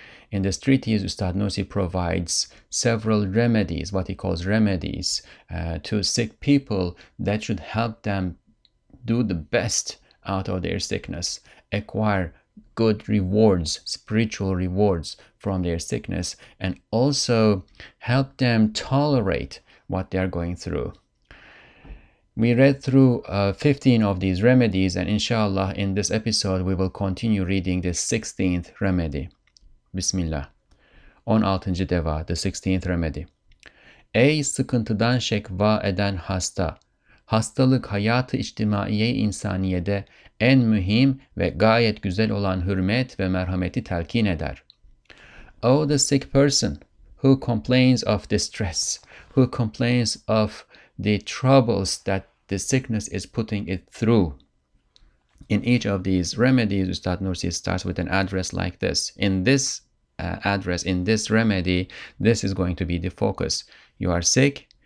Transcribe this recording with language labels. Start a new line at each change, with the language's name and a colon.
English: In this treatise, Ustad Nursi provides several remedies, what he calls remedies, to sick people that should help them do the best out of their sickness, acquire good rewards, spiritual rewards from their sickness, and also help them tolerate what they are going through. We read through 15 of these remedies, and inshallah, in this episode, we will continue reading the 16th remedy. Bismillah. 16. deva, the 16th remedy.
Turkish: Ey sıkıntıdan şekva eden hasta! Hastalık hayatı içtimaiye insaniyede en mühim ve gayet güzel olan hürmet ve merhameti telkin eder.
English: O the sick person who complains of distress, who complains of the troubles that the sickness is putting it through. In each of these remedies, Ustad Nursi starts with an address like this. In this address, in this remedy, this is going to be the focus. You are sick.